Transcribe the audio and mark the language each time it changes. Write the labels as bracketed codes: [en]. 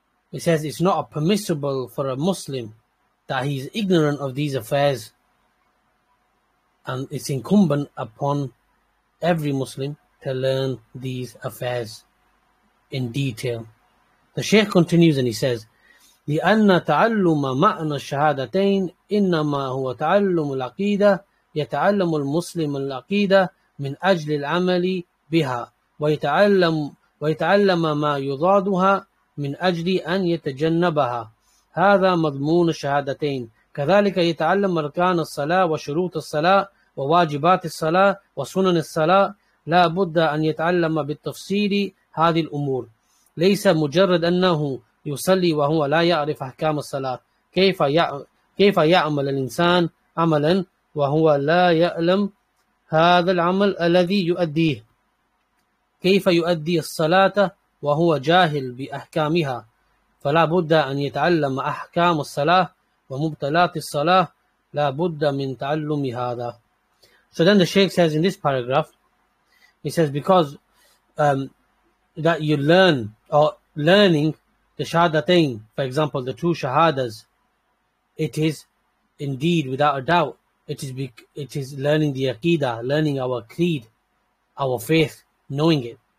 [en] He says it's not permissible for a Muslim that he's ignorant of these affairs, and it's incumbent upon every Muslim to learn these affairs in detail. The Shaykh continues and he says, [ar] لِأَنَّ تَعَلُّمَ مَعْنَ الشَّهَادَتَيْنِ إِنَّمَا هُوَ تَعَلُّمُ الْعَقِيدَةِ يَتَعَلَّمُ الْمُسْلِمُ الْعَقِيدَةِ مِنْ أَجْلِ الْعَمَلِ بِهَا وَيَتَعَلَّمَ مَا يُضَادُهَا مِنْ أَجْلِ أَنْ يَتَجَنَّبَهَا. هَذَا مَضْمُونُ الشَّهَادَتَيْنِ. كذلك يتعلم أركان الصلاة وشروط الصلاة وواجبات الصلاة وسنن الصلاة. لا بد أن يتعلم بالتفصيل هذه الأمور، ليس مجرد أنه يصلي وهو لا يعرف أحكام الصلاة. كيف يعمل الإنسان عملا وهو لا يعلم هذا العمل الذي يؤديه؟ كيف يؤدي الصلاة وهو جاهل بأحكامها؟ فلا بد أن يتعلم أحكام الصلاة ومبتلات الصلاة لا بد من تعلم هذا. [en] So then the Shaykh says in this paragraph, he says because that you learn, or learning the shahadatain, for example, the two shahadas, it is indeed, without a doubt, it is learning the aqidah, learning our creed, our faith, knowing it.